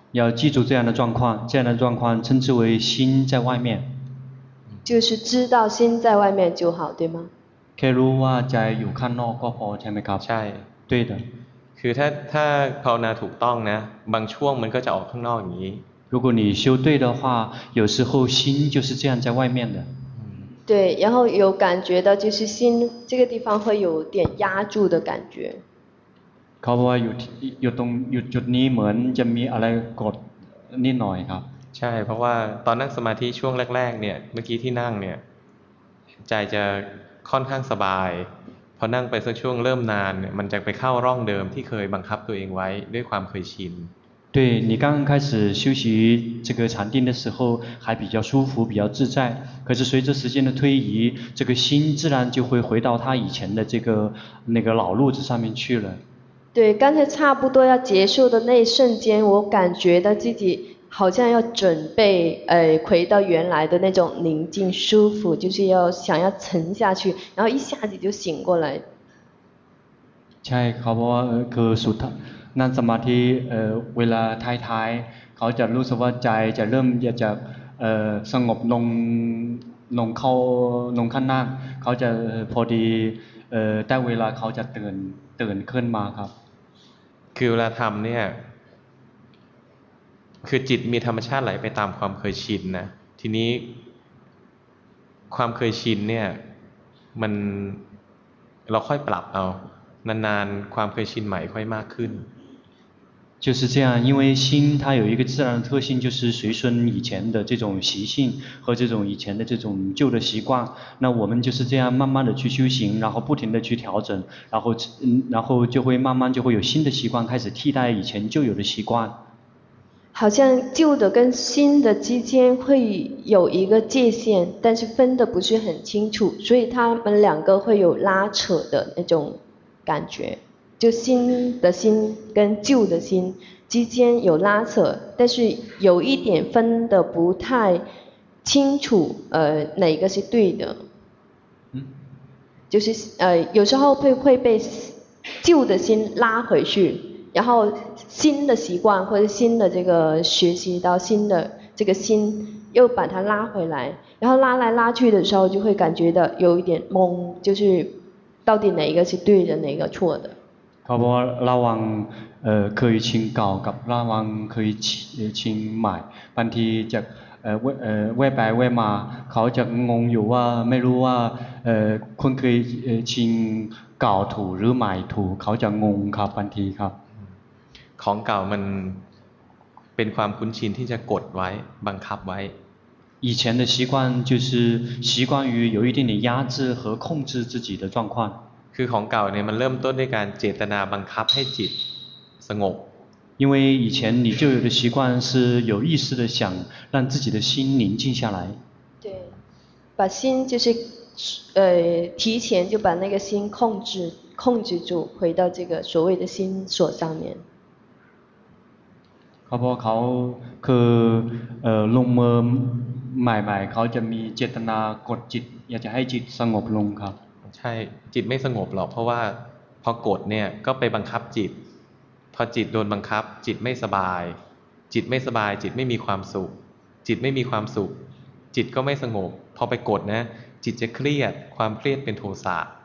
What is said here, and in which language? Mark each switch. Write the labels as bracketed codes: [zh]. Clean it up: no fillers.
[zh] 要记住这样的状况这样的状况称之为心在外面就是知道心在外面就好对吗 [th] แค่รู้ว่าใจอยู่ข้างนอกก็พอใช่ไหมครับ ใช่ [zh] 对的 [th] คือถ้าภาวนาถูกต้องนะบางช่วงมันก็จะออกข้างนอกอย่างนี้ [zh] 如果你修对的话有时候心就是这样在外面的对然后有感觉的就是心这个地方会有点压住的感觉 [th] เขาบอกว่าอยู่ตรงอยู่จุดนี้เหมือนจะมีอะไรกดนิดหน่อยครับ ใช่เพราะว่าตอนนั่งสมาธิช่วงแรกๆเนี่ยเมื่อกี้ที่นั่งเนี่ยใจจะค่อนข้างสบายพอนั่งไปสักช่วงเริ่มนานเนี่ยมันจะไปเข้าร่องเดิมที่เคยบังคับตัวเองไว้ด้วยความเคยชิน [zh] 对你刚刚开始修习这个禅定的时候还比较舒服比较自在可是随着时间的推移这个心自然就会回到它以前的这个那个老路子上面去了对刚才差不多要结束的那一瞬间我感觉到自己好像要准备回到原来的那种宁静舒服就是要想要沉下去然后一下子就醒过来 [th] ใช่เขาบอกว่าคือสุดนั่งสมาธิเวลาท้ายๆเขาจะรู้สึกว่าใจจะเริ่มจะสงบลงเข้าลงข้างหน้าเขาจะพอดีได้เวลาเขาจะตื่นขึ้นมาครับ คือเวลาทำเนี่ยคือจิตมีธรรมชาติไหลไปตามความเคยชินนะทีนี้ความเคยชินเนี่ยมันเราค่อยปรับเอานานๆความเคยชินใหม่ค่อยมากขึ้น [zh] 就是这样因为心它有一个自然的特性就是随顺以前的这种习性和这种以前的这种旧的习惯那我们就是这样慢慢的去修行然后不停的去调整然后就会慢慢就会有新的习惯开始替代以前旧有的习惯好像旧的跟新的之间会有一个界限但是分的不是很清楚所以他们两个会有拉扯的那种感觉就新的心跟旧的心之间有拉扯但是有一点分的不太清楚哪个是对的就是有时候会被旧的心拉回去然后新的习惯或者新的这个学习到新的这个心又把它拉回来然后拉来拉去的时候就会感觉的有一点懵就是到底哪一个是对的哪一个错的 [th] เขาบอกว่าระวังเคยชินเก่ากับระวังเคยชินใหม่บางทีจะแวบไปแวบมาเขาจะงงอยู่ว่าไม่รู้ว่าคนเคยชินเก่าถูกหรือใหม่ถูกเขาจะงงครับบางทีครับ ของเก่ามันเป็นความคุ้นชินที่จะกดไว้บังคับไว้ [zh] 以前的习惯就是习惯于有一点点压制和控制自己的状况 [th] คือของเก่าเนี่ยมันเริ่มต้นด้วยการเจตนาบังคับให้จิตสงบ [zh] 因为以前你就有的习惯是有意识的想让自己的心宁静下来对把心就是提前就把那个心控制住回到这个所谓的心所上面 [th] เขาบอกเขาคือลงมือใหม่ๆเขาจะมีเจตนากดจิตอยากจะให้จิตสงบลงครับ ใช่จิตไม่สงบหรอกเพราะว่าพอกดเนี่ยก็ไปบังคับจิตพอจิตโดนบังคับจิตไม่สบายจิตไม่สบายจิตไม่มีความสุขจิตไม่มีความสุขจิตก็ไม่สงบพอไปกดนะจิตจะเครียดความเครียดเป็นโทสะ